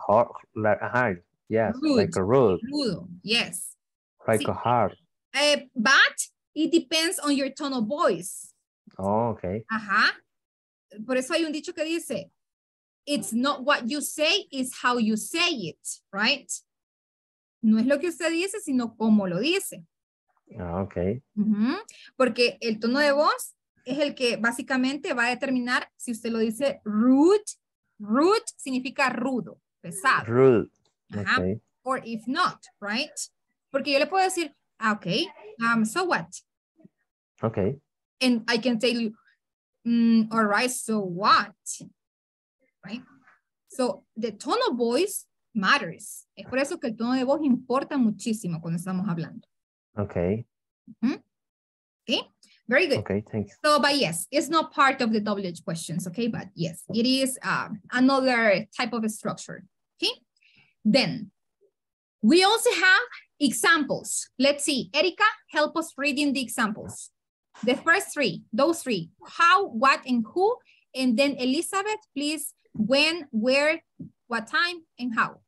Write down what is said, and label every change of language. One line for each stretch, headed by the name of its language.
English: Hard. Yes, rude. Like a rude. Rude, yes. Like see, a hard. But it depends on your tone of voice. Oh, okay. Ajá.
Spanish: Por eso hay un dicho que dice,
English: it's not what you say, it's how you say it, right?
Spanish: No es lo que usted dice, sino cómo lo dice.
English: Okay. Uh-huh.
Spanish: Porque el tono de voz es el que básicamente va a determinar si usted lo dice rude. Rude significa rudo, pesado.
English: Rude. Uh-huh. Okay. Or if not, right?
Spanish: Porque yo le puedo decir,
English: okay, so what? Okay. And I can tell you, all right, so what? Right? So the tone of voice matters.
Spanish: Es por eso que el tono de voz importa muchísimo cuando estamos hablando.
English: Okay. Mm-hmm. Okay. Very good. Okay, thanks. So, but yes, it's not part of the WH questions, okay? But yes, it is another type of a structure, okay? Then, we also have examples. Let's see, Erica, help us reading the examples. The first three, those three, how, what, and who, and then Elizabeth, please, when, where, what time, and how.